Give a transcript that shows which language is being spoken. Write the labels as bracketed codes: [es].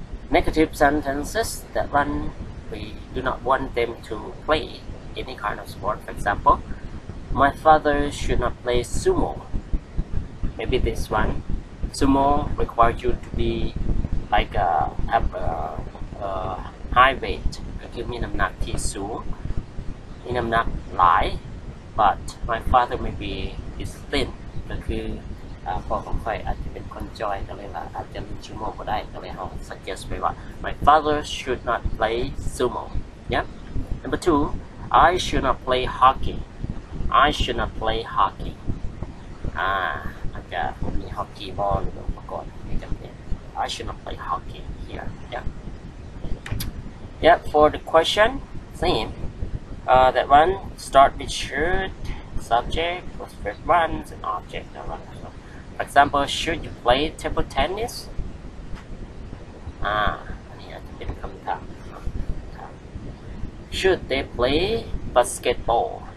[en] Negative sentences, that one, we do not want them to play any kind of sport. For example, my father should not play sumo. Maybe this one, sumo requires you to be like a high weight. [th] คือมีน้ำหนักที่สูงมีน้ำหนักหลาย [en] but my father maybe is thin [th] ก็คือพ่อของข่อยอาจจะเป็นคนจอยก็เลยว่าอาจจะเป็นชูโมก็ได้ก็เลยเขา [en] suggest [th] ไปว่า [en] my father should not play sumo yep number 2 I should not play hockey I should not play hockey [th] อาจจะมีฮอกกี้บอลหรืออุปกรณ์ที่จำเป็น [en] I should not play hockey here yepYeah, for the question, same. That one, start with should, subject, plus verb 1, and object. For example, example, should you play table tennis? [th] อันนี้อาจจะเป็นคำถามนะครับ [en] Should they play basketball?